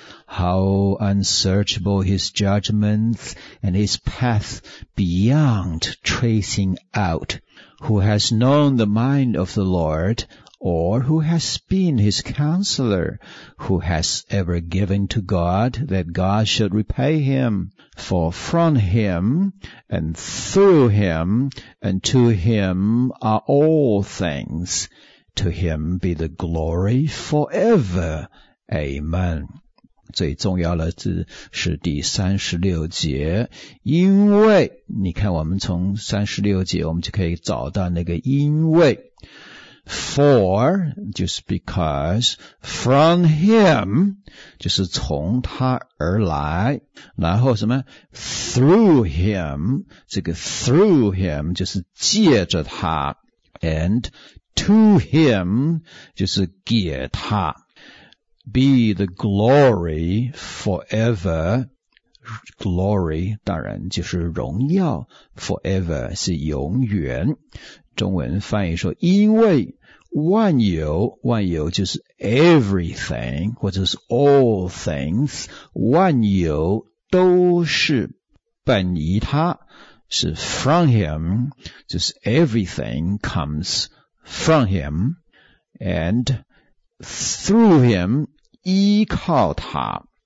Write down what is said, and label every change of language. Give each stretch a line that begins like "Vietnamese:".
English: how unsearchable his judgments and his path beyond tracing out, who has known the mind of the Lord, or who has been his counselor, who has ever given to God that God should repay him, for from him and through him and to him are all things,To him be the glory forever. Amen.
Chinese: 最重要的字是第36节，因为你看我们从36节我们就可以找到那个因为。
English: For,
Chinese: 就是
English: because, from him,
Chinese: 就是从他而来，然后什么
English: through him,
Chinese: 这个
English: through him,
Chinese: 就是借着他
English: and,To him,
Chinese: 就是给他
English: be the glory forever. Glory,
Chinese: 当然就是荣耀
English: forever,
Chinese: 是永远。中文翻译说因为万有，万有就是
English: everything,
Chinese: 或者是
English: all things,
Chinese: 万有都是本于他，是
English: from him,
Chinese: 就是
English: everything comes,from him, and through him,
Chinese: 依靠他，